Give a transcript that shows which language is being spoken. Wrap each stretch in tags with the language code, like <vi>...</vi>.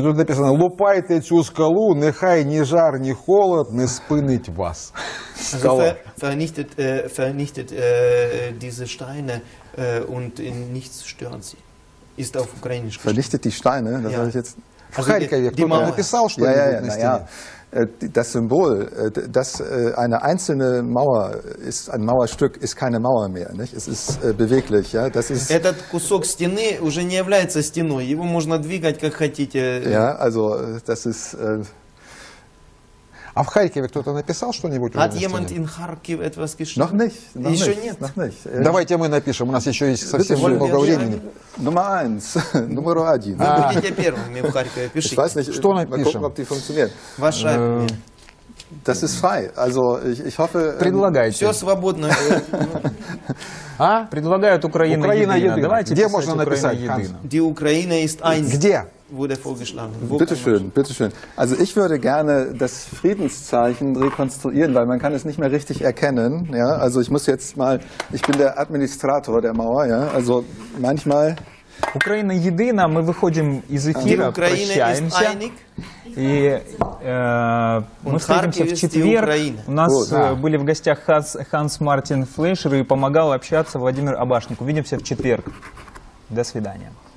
<ru>тут написано,</ru> <uk>лупайте эту скалу, нехай ни жар, ни холод не спынит вас.</uk> <de>Vernichtet diese Steine und in nichts stören sie. Ist auf Ukrainisch. Vernichtet die Steine, das habe ich jetzt...</de> <ru>В Харькове кто-то написал, что</ru> <de>ja, ja, ja. Das Symbol, dass eine einzelne Mauer ist, ein Mauerstück ist keine Mauer mehr, nicht? Es ist beweglich, ja? Das ist</de> <ru>этот кусок стены уже не является стеной, его можно двигать, как хотите.</ru> <de>Ja, also, das ist...</de> <ru>А в Харькове кто-то написал что-нибудь?</ru> <de>Hat jemand in Kharkiv etwas geschrieben? Noch nicht.</de> <ru>Еще нет.</ru> <de>Noch nicht.</de> <ru>Давайте мы напишем. У нас еще есть совсем много времени. Номер один. Номер один. Вы будете первыми в Харькове. Пишите. Что напишем? Мы</ru> <de>gucken, ob die funktioniert.</de> <ru>Ваша...</ru> <de>Das ist frei. Also, ich hoffe...</de> <ru>Предлагайте. Все свободно. А? Предлагают Украина едина. Давайте. Где можно написать?</ru> <de>Die Ukraine ist eins.</de> <ru>Где?</ru> <de>Wurde vorgeschlagen. Wo bitte schön, bitte schön. Also ich würde gerne das Friedenszeichen rekonstruieren, weil man kann es nicht mehr richtig erkennen. Ja? Also ich muss jetzt mal, ich bin der Administrator der Mauer, ja? Also manchmal...</de> <ru>Украина едина, мы выходим из эфира, прощаемся. И мы встретимся в четверг. У нас были в гостях Ханс Мартин Флейшер и помогал общаться Владимир Абашник. Увидимся в четверг. До свидания.</ru>